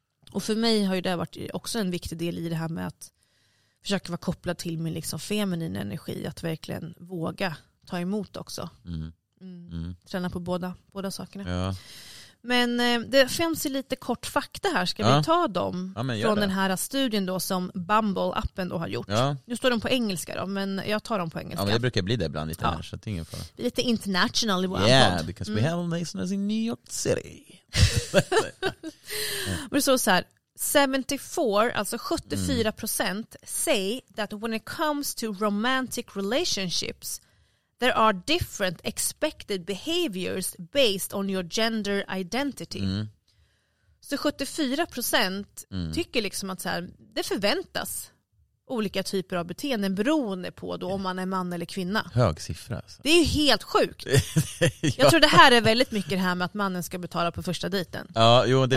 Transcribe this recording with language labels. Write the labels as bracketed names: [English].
[Swedish] Och för mig har ju det varit också en viktig del i det här med att försöka vara kopplad till min liksom feminina energi, att verkligen våga ta emot också. Mm. Mm. Träna på båda sakerna. Ja. Men det finns ju lite kort fakta här. Ska vi ta dem från den här studien då som Bumble-appen då har gjort? Ja. Nu står de på engelska då, men jag tar dem på engelska. Ja, men det brukar bli det ibland lite här. Så det är lite international i vår Antal. [English] Because we have listeners in New York City. [Swedish] Men det står så här. [English] 74, alltså 74% say that when it comes to romantic relationships, there are different expected behaviors based on your gender identity. [Swedish] Mm. Så 74% tycker liksom att så här, det förväntas olika typer av beteenden beroende på då om man är man eller kvinna. Hög siffra. Alltså. Det är ju helt sjukt. Ja. Jag tror det här är väldigt mycket det här med att mannen ska betala på första dejten. Ja, jo, det